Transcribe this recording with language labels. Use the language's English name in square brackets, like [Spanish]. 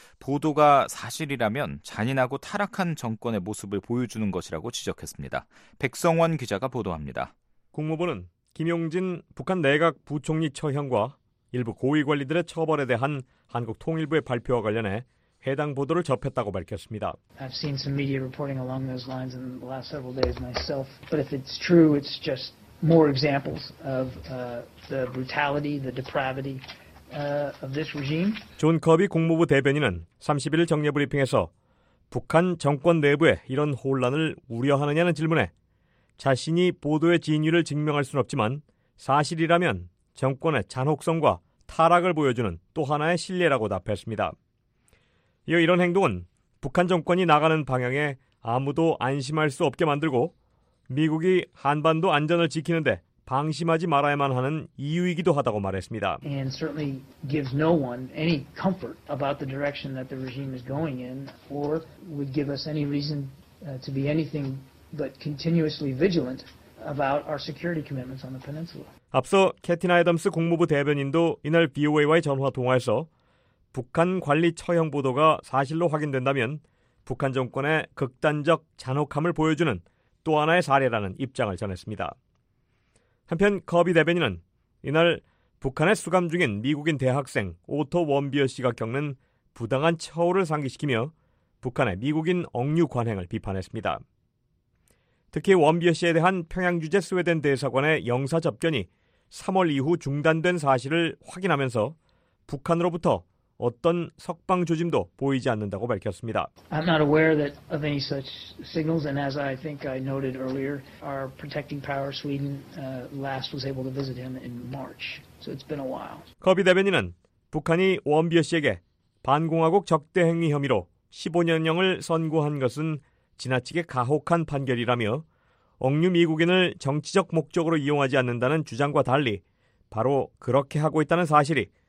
[Korean] 보도가 사실이라면 잔인하고 타락한 정권의 모습을 보여주는 것이라고 지적했습니다. 백성원 기자가 보도합니다. 국무부는 김용진 북한 내각 부총리 처형과 일부 고위관리들의 처벌에 대한 한국 통일부의 발표와 관련해 해당 보도를 접했다고 밝혔습니다. [English] I've seen some media reporting along those lines in the last several days myself. But if it's true, it's just more examples of the brutality, the depravity of this regime. [Korean] 존 커비 국무부 대변인은 31일 정례 브리핑에서 북한 정권 내부에 이런 혼란을 우려하느냐는 질문에 자신이 보도의 진위를 증명할 수는 없지만 사실이라면 정권의 잔혹성과 타락을 보여주는 또 하나의 실례라고 답했습니다. 이어 이런 행동은 북한 정권이 나가는 방향에 아무도 안심할 수 없게 만들고 미국이 한반도 안전을 지키는데 방심하지 말아야만 하는 이유이기도 하다고 말했습니다. [English] And certainly gives no one any comfort about the direction that the regime is going in or would give us any reason to be anything but continuously vigilant about our security commitments on the peninsula. [Korean] 앞서 캐티 아덤스 국무부 대변인도 이날 BOA와의 전화 통화에서 북한 관리 처형 보도가 사실로 확인된다면 북한 정권의 극단적 잔혹함을 보여주는 또 하나의 사례라는 입장을 전했습니다. 한편 커비 대변인은 이날 북한에 수감 중인 미국인 대학생 오토 원비어 씨가 겪는 부당한 처우를 상기시키며 북한의 미국인 억류 관행을 비판했습니다. 특히 원비어 씨에 대한 평양주재 스웨덴 대사관의 영사 접견이 3월 이후 중단된 사실을 확인하면서 북한으로부터 어떤 석방 조짐도 보이지 않는다고 밝혔습니다. [English] I'm not aware that of any such signals and as I think I noted earlier, our protecting power Sweden last was able to visit him in March. So it's been a while. [Korean] 커비 대변인은 북한이 원비어 씨에게 반공화국 적대 행위 혐의로 15년형을 선고한 것은 지나치게 가혹한 판결이라며 억류 미국인을 정치적 목적으로 이용하지 않는다는 주장과 달리 바로 그렇게 하고 있다는 사실이